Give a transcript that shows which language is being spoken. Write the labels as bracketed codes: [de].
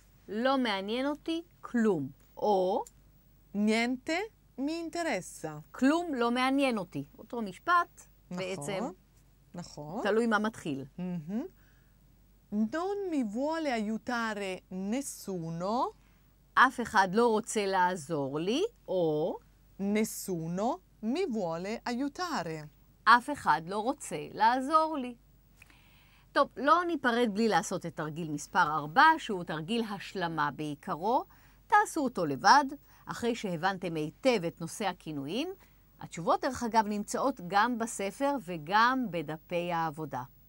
[he] לא מעניין אותי כלום. או? [it] Niente mi interessa. [he] כלום לא מעניין אותי. אותו משפט, נכון, בעצם. נכון. תלוי מה מתחיל. [it] Non mi vuole aiutare nessuno. [he] אף אחד לא רוצה לעזור לי, או... [it] Nessuno mi vuole aiutare. [he] אף אחד לא רוצה לעזור לי. טוב, לא ניפרד בלי לעשות את תרגיל מספר 4, שהוא תרגיל השלמה בעיקרו. תעשו אותו לבד, אחרי שהבנתם היטב את נושא הכינויים, התשובות, דרך אגב, נמצאות גם בספר וגם בדפי העבודה.